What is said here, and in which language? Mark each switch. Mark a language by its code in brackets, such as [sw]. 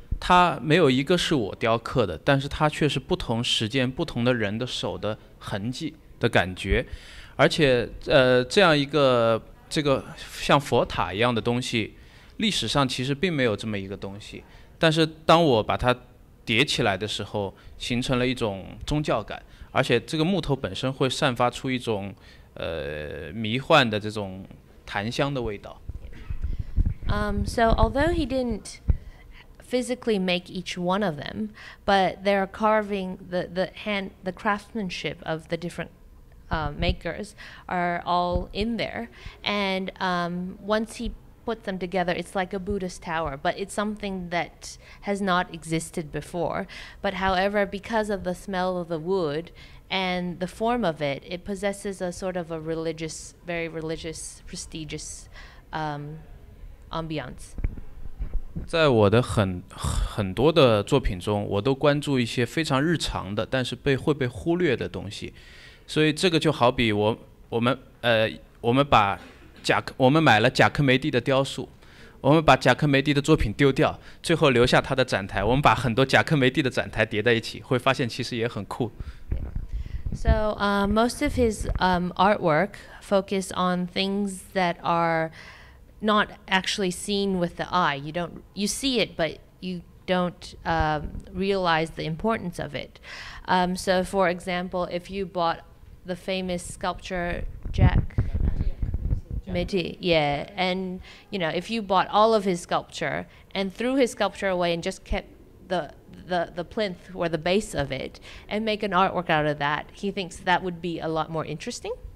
[zh] 它没有一个是我雕刻的，但是它却是不同时间、不同的人的手的痕迹的感觉，而且这样一个这个像佛塔一样的东西，历史上其实并没有这么一个东西。但是当我把它叠起来的时候，形成了一种宗教感，而且这个木头本身会散发出一种迷幻的这种檀香的味道。 [en] So although he didn't physically make each one of them, but they're carving the craftsmanship of the different makers are all in there. And once he put them together, it's like a Buddhist tower, but it's something that has not existed before. But however, because of the smell of the wood and the form of it, it possesses a sort of a religious, very religious, prestigious ambiance. [zh] 在我的很多的作品中，我都关注一些非常日常的，但是被会被忽略的东西，所以这个就好比我们把我们买了贾克梅蒂的雕塑，我们把贾克梅蒂的作品丢掉，最后留下他的展台。我们把很多贾克梅蒂的展台叠在一起，会发现其实也很酷。 [en] So most of his artwork focus on things that are not actually seen with the eye. You see it, but you don't realize the importance of it. So for example, if you bought the famous sculpture Jack Meti, yeah, and you know, if you bought all of his sculpture and threw his sculpture away and just kept the plinth or the base of it and make an artwork out of that, he thinks that would be a lot more interesting.